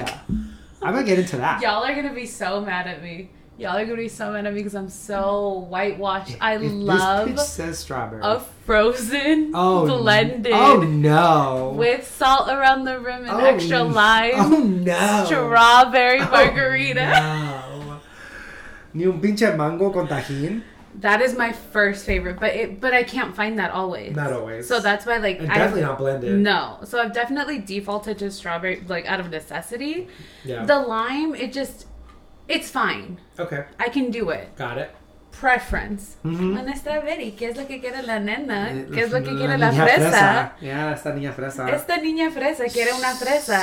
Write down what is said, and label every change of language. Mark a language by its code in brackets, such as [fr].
[en] Kind of margarita? I'm gonna get into that. Y'all are gonna be so mad at me. Y'all are gonna be so mad at me because I'm so whitewashed. If love this pitch says strawberry. A frozen blended. Oh no. With salt around the rim and extra lime. Oh no. Strawberry margarita. Oh, no. [es] Ni un pinche mango con tajín. [en] That is my first favorite, but I can't find that always. Not always. So that's why, like, and definitely not blended. No. So I've definitely defaulted to strawberry, like, out of necessity. Yeah. The lime, it just, it's fine. Okay. I can do it. Got it. Preference. Mm-hmm. [es] Esta veri, ¿qué es lo que quiere la nena? ¿Qué es lo que quiere la fresa? Yeah, esta niña fresa. Esta niña fresa quiere una fresa.